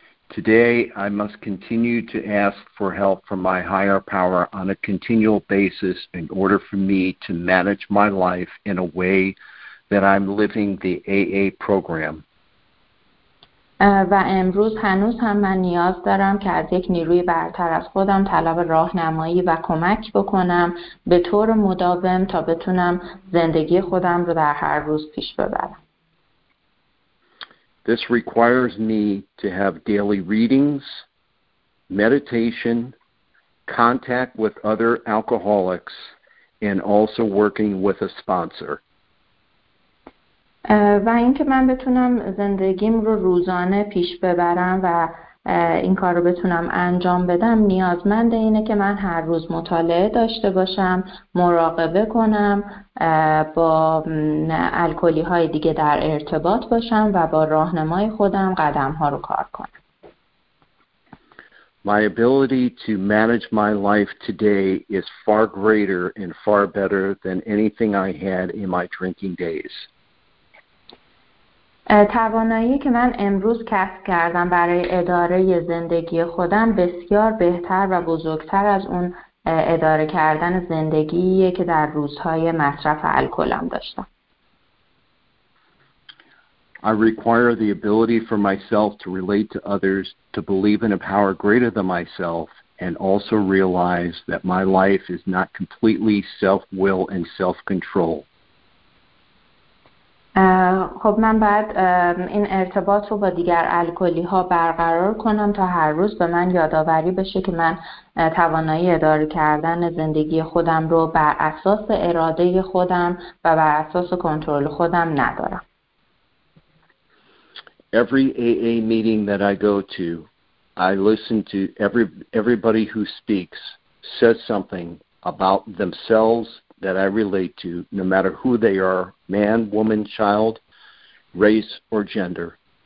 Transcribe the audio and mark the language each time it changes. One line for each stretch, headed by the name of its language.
English: Today I must continue to ask for help from my higher power on a continual basis in order for me to manage my life in a way that I'm living the AA program.
Persian: و امروز هنوز هم من نیاز دارم که از یک نیروی برتر از خودم طلب راهنمایی و کمک بکنم به طور مداوم تا بتونم زندگی خودم رو در هر روز پیش ببرم.
English: This requires me to have daily readings, meditation, contact with other alcoholics, and also working with a sponsor.
Persian: و اینکه من بتونم زندگیم رو روزانه پیش ببرم و این کار رو بتونم انجام بدم نیازمند اینه که من هر روز مطالعه داشته باشم، مراقبه کنم، با الکلی های دیگه در ارتباط باشم و با راهنمای خودم قدم ها رو کار کنم.
English: My ability to manage my life today is far greater and far better than anything I had in my drinking days.
Persian: توانایی که من امروز کسب کردم برای اداره زندگی خودم بسیار بهتر و بزرگتر از اون اداره کردن زندگیه که در روزهای مصرف الکلم داشتم.
English: I require the ability for myself to relate to others, to believe in a power greater than myself, and also realize that my life is not completely self-will and self-control.
Persian: خب من باید این ارتباط رو با دیگر الکلی ها برقرار کنم تا هر روز به من یادآوری بشه که من توانایی اداره کردن زندگی خودم رو بر اساس اراده خودم و بر اساس کنترل خودم ندارم.
English: Every AA meeting that I go to, I listen to everybody who speaks says something about themselves that I relate to, no matter who they are, man, woman, child, race, or gender.